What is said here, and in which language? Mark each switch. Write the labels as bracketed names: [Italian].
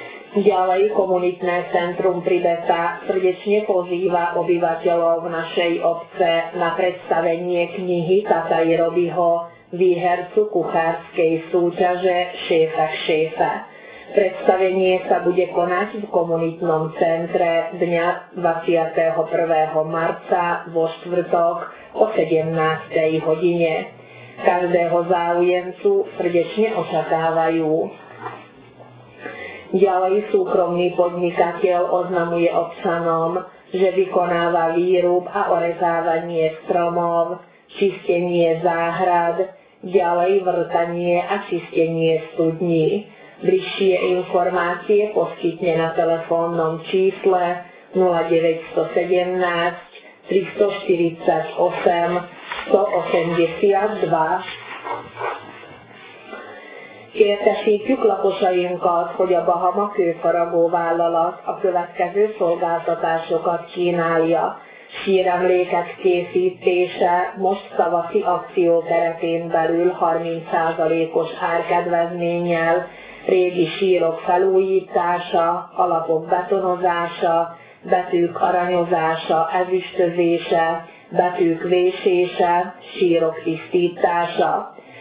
[Slovak] Ďalej komunitné centrum Pribeta srdečne pozýva obyvateľov našej obce na predstavenie knihy Tataj Robiho, výhercu kuchárskej súťaže Šéfa k šéfe. Predstavenie sa bude konať v komunitnom centre dňa 21. marca vo štvrtok o 17. hodine. Každého záujemcu srdečne očakávajú. Ďalej súkromný podnikateľ oznamuje občanom, že vykonáva výrub a orezávanie stromov, čistenie záhrad, ďalej vŕtanie a čistenie studní. Bližšie informácie poskytne na telefónnom čísle 0917 348 182. [Hungarian] Értesítjük lakosainkat, hogy a Bahama kőfaragó vállalat a következő szolgáltatásokat kínálja. Síremlékek készítése most tavaszi akció keretén belül 30%-os árkedvezménnyel, régi sírok felújítása, alapok betonozása, betűk aranyozása, ezüstözése, betűk vésése, sírok tisztítása.